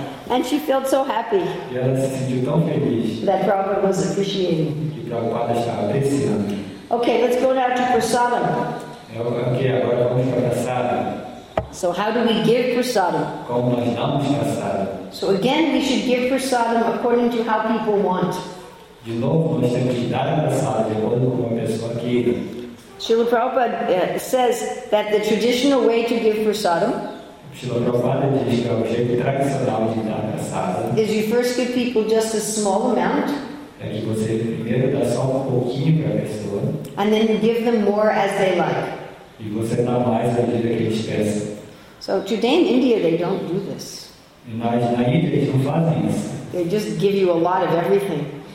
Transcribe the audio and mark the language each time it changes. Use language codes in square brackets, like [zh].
[en] And she felt so happy that Prabhupada was appreciating. Okay, let's go now to prasadam. [pt] Okay, agora vamos para prasadam. [en] So how do we give prasadam? [pt] Como nós damos prasadam? [en] So again, we should give prasadam according to how people want. [pt] De novo, nós temos que dar prasadam de acordo com a pessoa queira. [en] Srila Prabhupada says that the traditional way to give prasadam is you first give people just a small amount. [pt] É que você primeiro dá só um pouquinho para a pessoa. [en] And then you give them more as they like. [pt] E você dá mais à medida que eles peçam. [en] So today in India they don't do this. [pt] Mas na Índia eles não fazem isso. [en] They just give you a lot of everything.